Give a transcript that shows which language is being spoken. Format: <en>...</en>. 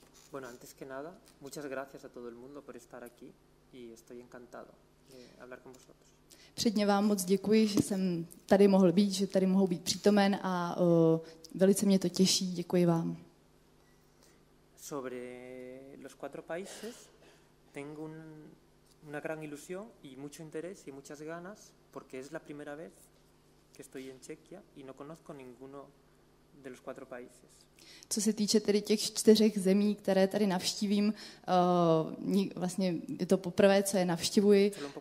<es>Bueno, antes que nada, muchas gracias a todo el mundo por estar aquí y estoy encantado de hablar con vosotros.</es> <cs>Předně vám moc děkuji, že jsem tady mohl být, že tady mohou být přítomen a velice mě to těší. Děkuji vám.</cs> <es>Sobre los 4 países tengo una gran ilusión y mucho interés y muchas ganas porque es la primera vez que estoy en Chequia y no conozco ninguno de los cuatro países.</es> <cs>Co se týče tedy těch čtyřech zemí, které tady navštívím, vlastně je to poprvé, co je navštívuji.</cs>